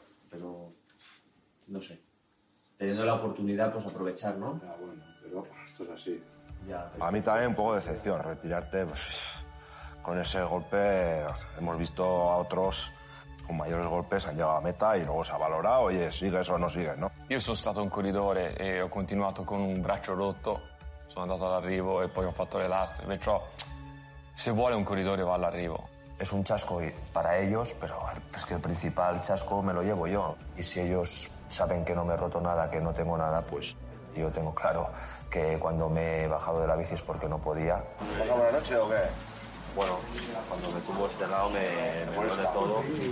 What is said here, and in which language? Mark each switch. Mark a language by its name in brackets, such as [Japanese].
[Spanish] Pero, no sé. Teniendo la oportunidad, pues aprovechar, ¿no? Ya, bueno, pero esto es así. Ya, a mí también un poco de decepción, retirarte, pues... Con ese golpe hemos visto a otros con mayores golpes, han llegado a meta y luego se ha valorado, oye, sigues o no sigues, ¿no? [Italian] Io sono stato un corridore e ho continuato con un braccio rotto, sono andato all'arrivo e poi ho fatto le lastre, perciò se vuole un corridore va all'arrivo. [Spanish] Es un chasco para ellos, pero es que el principal chasco me lo llevo yo. Y si ellos saben que no me he roto nada, que no tengo nada, pues yo tengo claro que cuando me he bajado de la bici es porque no podía. ¿Pasa buena noche o qué? Bueno, cuando me tumbo este lado me duele de todo.